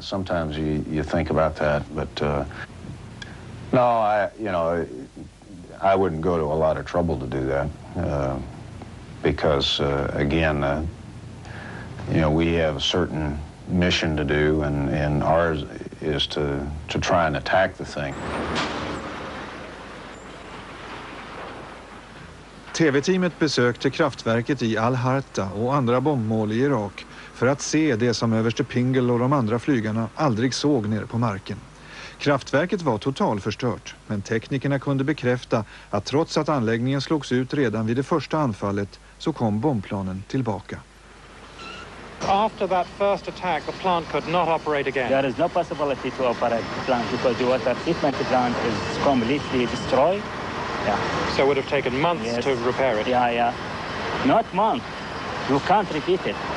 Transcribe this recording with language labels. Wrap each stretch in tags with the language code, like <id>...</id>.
<en>Sometimes you think about that, but I wouldn't go to a lot of trouble to do that because we have a certain mission to do, and ours is to try and attack the thing.</en> <sv>TV-teamet besökte kraftverket i Al-Harta och andra bombmål i Irak för att se det som överste Pingle och de andra flygarna aldrig såg nere på marken. Kraftverket var totalförstört, men teknikerna kunde bekräfta att trots att anläggningen slogs ut redan vid det första anfallet så kom bombplanen tillbaka.</sv> <en>After that first attack, the plant could not operate again. There is no possibility to operate the plant because the water treatment plant is completely destroyed. Yeah. So it would have taken months to repair it. Yeah, yeah. Not months. You can't repeat it.</en>